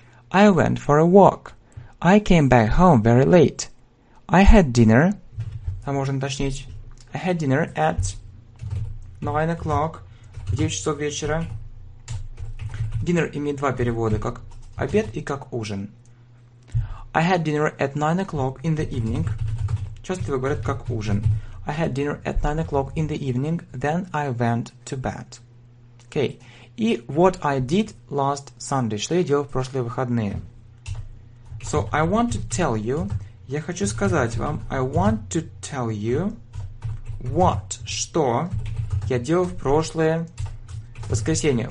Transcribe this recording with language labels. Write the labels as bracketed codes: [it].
[en] I went for a walk. I came back home very late. I had dinner. [ru] Там можно уточнить. [en] I had dinner at 9 o'clock. [ru] В 9 часов вечера. Dinner имеет два перевода, как обед и как ужин. [en] I had dinner at 9 o'clock in the evening. [ru] Часто его говорят как ужин. [en] I had dinner at 9 o'clock in the evening, then I went to bed. Okay. [ru] И [en] what I did last Sunday. [ru] Что я делал в прошлые выходные. [en] So, I want to tell you. [ru] Я хочу сказать вам. [en] I want to tell you what. [ru] Что я делал в прошлые воскресенье.